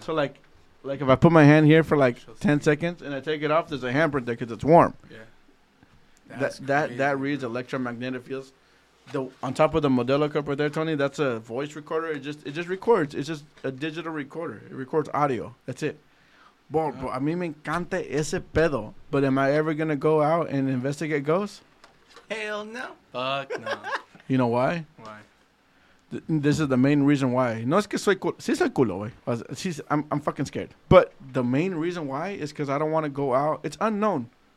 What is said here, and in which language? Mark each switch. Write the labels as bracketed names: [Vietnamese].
[English] So, like if I put my hand here for, like, 10 seconds and I take it off, there's a handprint there because it's warm. Yeah. That reads electromagnetic fields. On top of the Modelo cup right there, Tony, that's a voice recorder. It just records. It's just a digital recorder. It records audio. That's it. [Spanish] Bro, a mí me encanta ese pedo. [English] But am I ever going to go out and investigate ghosts? Hell no. Fuck no. You know why? Why? This is the main reason why. [Spanish] No es que soy culo. Sí soy culo, güey. [English] I'm fucking scared. But the main reason why is because I don't want to go out. It's unknown.